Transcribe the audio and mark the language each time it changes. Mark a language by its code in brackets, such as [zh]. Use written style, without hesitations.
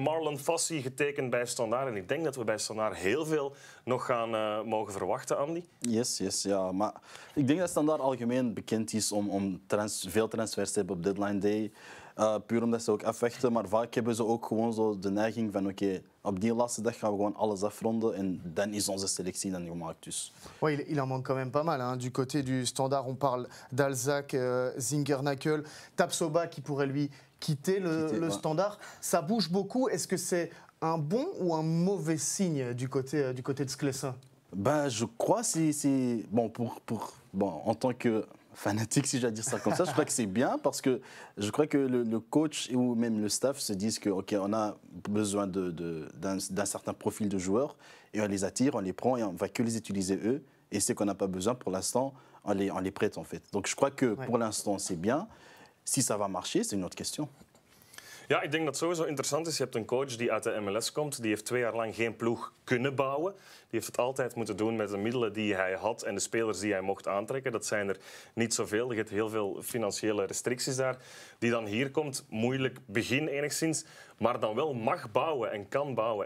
[nl] Marlon Fassi getekend bij Standaar. En ik denk dat we bij Standaar heel veel nog gaan mogen verwachten. Andy? Yes, ja. Maar ik denk dat Standaar algemeen bekend is om veel transfers te hebben op deadline day. Puur omdat ze ook afwachten. Maar vaak hebben ze ook gewoon zo de neiging van oké, op die laatste dag gaan we gewoon alles afronden en dan is onze selectie dan gemaakt. Dus. [fr] Ouais, il en manque quand même pas mal. Hein. Du côté du Standaard, on parle d'Alzac, Zingernakel, Tapsoba qui pourrait lui quitter le Standaard. Ça bouge beaucoup. Est-ce que c'est un bon ou un mauvais signe du côté de Sclessin? Ben, je crois que c'est... Bon, bon, en tant que fanatique, si je dois dire ça comme ça, je crois que c'est bien parce que je crois que le coach ou même le staff se disent que OK, on a besoin d'un certain profil de joueurs et on les attire, on les prend et on ne va que les utiliser eux. Et ce qu'on n'a pas besoin, pour l'instant, on les prête, en fait. Donc, je crois que pour l'instant, c'est bien. Si ça va marcher, c'est une autre question. [nl] Ja, ik denk dat het sowieso interessant is. Je hebt een coach die uit de MLS komt. Die heeft 2 jaar lang geen ploeg kunnen bouwen. Die heeft het altijd moeten doen met de middelen die hij had en de spelers die hij mocht aantrekken. Dat zijn er niet zoveel. Je hebt heel veel financiële restricties daar. Die dan hier komt, moeilijk begin enigszins. Maar dan wel mag bouwen en kan bouwen.